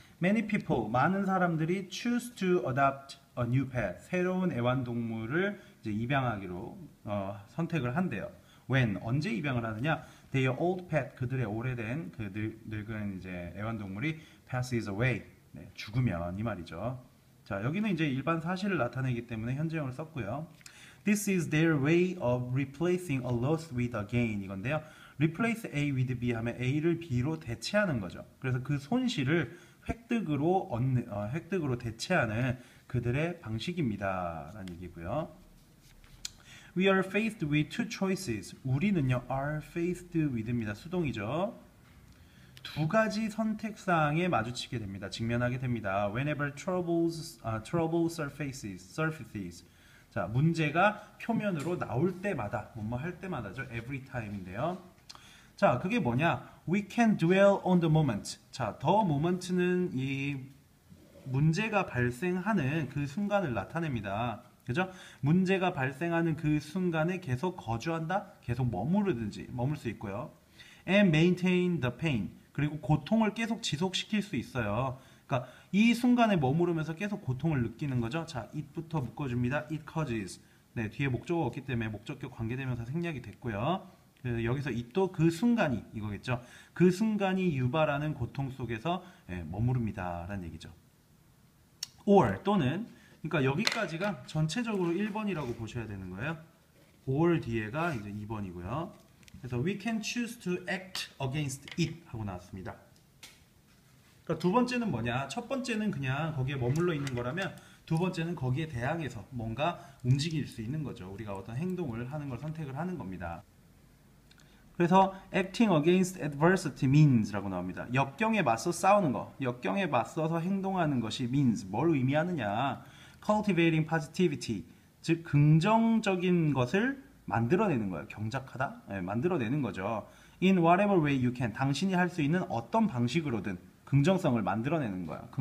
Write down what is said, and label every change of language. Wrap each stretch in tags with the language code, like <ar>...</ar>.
<en>Many people,</en> <ko>많은 사람들이</ko> <en>choose to adopt a new pet,</en> <ko>새로운 애완동물을 이제 입양하기로 선택을 한대요.</ko> <en>When,</en> <ko>언제 입양을 하느냐?</ko> <en>Their old pet,</en> <ko>그들의 오래된 그 늙은 이제 애완동물이</ko> <en>passes away,</en> <ko>네, 죽으면 이 말이죠. 자, 여기는 이제 일반 사실을 나타내기 때문에 현재형을 썼고요.</ko> <en>This is their way of replacing a loss with a gain</en> <ko>이건데요.</ko> <en>Replace A with B</en> <ko>하면 A를 B로 대체하는 거죠. 그래서 그 손실을 획득으로 대체하는 그들의 방식입니다라는 얘기고요.</ko> <en>We are faced with two choices.</en> <ko>우리는요,</ko> <en>are faced with입니다.</en> <ko>수동이죠. 두 가지 선택 사항에 마주치게 됩니다. 직면하게 됩니다.</ko> <en>Whenever trouble surfaces.</en> <ko>자, 문제가 표면으로 나올 때마다, 뭐뭐 할 때마다죠. Every time인데요. 자, 그게 뭐냐?</ko> <en>We can dwell on the moment.</en> <ko>자, the moment는 이 문제가 발생하는 그 순간을 나타냅니다. 그죠? 문제가 발생하는 그 순간에 계속 거주한다? 계속 머무르든지 머물 수 있고요.</ko> <en>And maintain the pain.</en> <ko>그리고 고통을 계속 지속시킬 수 있어요. 그러니까 이 순간에 머무르면서 계속 고통을 느끼는 거죠. 자, it부터 묶어줍니다.</ko> <en>It causes.</en> <ko>네, 뒤에 목적어 없기 때문에 목적격 관계대명사 생략이 됐고요. 그래서 여기서 it도 그 순간이 이거겠죠. 그 순간이 유발하는 고통 속에서 머무릅니다라는 얘기죠. Or 또는 그러니까 여기까지가 전체적으로 1번이라고 보셔야 되는 거예요. Or 뒤에가 이제 2번이고요.</ko> <en>그래서 we can choose to act against it</en> <ko>하고 나왔습니다. 그러니까 두 번째는 뭐냐? 첫 번째는 그냥 거기에 머물러 있는 거라면 두 번째는 거기에 대항해서 뭔가 움직일 수 있는 거죠. 우리가 어떤 행동을 하는 걸 선택을 하는 겁니다. 그래서</ko> <en>acting against adversity means</en> <ko>라고 나옵니다. 역경에 맞서 싸우는 거, 역경에 맞서서 행동하는 것이 means 뭘 의미하느냐?</ko> <en>Cultivating positivity,</en> <ko>즉 긍정적인 것을 만들어내는 거예요. 경작하다? 네, 만들어내는 거죠.</ko> <en>In whatever way you can.</en> <ko>당신이 할수 있는 어떤 방식으로든 긍정성을 만들어내는 거예요.</ko>